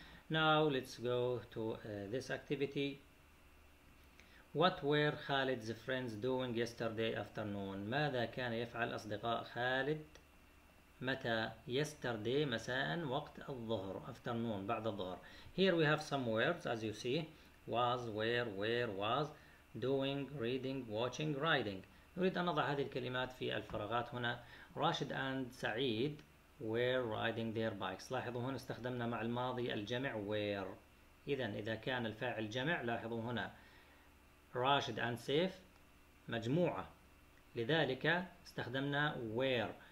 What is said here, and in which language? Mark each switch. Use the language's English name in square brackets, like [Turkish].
[English] Now let's go to this activity. What were Khalid's friends doing yesterday afternoon? [Arabic] ماذا كان يفعل أصدقاء خالد متى yesterday مساء وقت الظهر afternoon بعد الظهر. [English] Here we have some words as you see. Was, where, was, doing, reading, watching, riding. [Arabic] نريد أن نضع هذه الكلمات في الفراغات هنا. [English] راشد and سعيد were riding their bikes. [Arabic] لاحظوا هنا استخدمنا مع الماضي الجمع were. إذا كان الفاعل جمع، لاحظوا هنا راشد and سيف مجموعة، لذلك استخدمنا were.